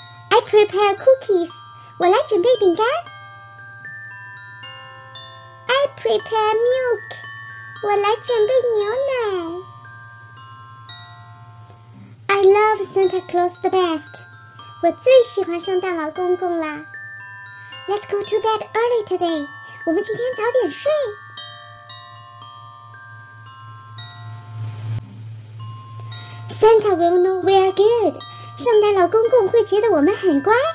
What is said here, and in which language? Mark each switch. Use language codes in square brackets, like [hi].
[en] I prepare cookies. [zh] 我来准备饼干。 [en] I prepare milk. [zh] 我来准备牛奶。 [en] I love Santa Claus the best. [zh] 我最喜欢圣诞老公公啦。 [en] Let's go to bed early today. [zh] 我们今天早点睡。 [en] Santa will know we are good. [zh] 圣诞老公公会觉得我们很乖。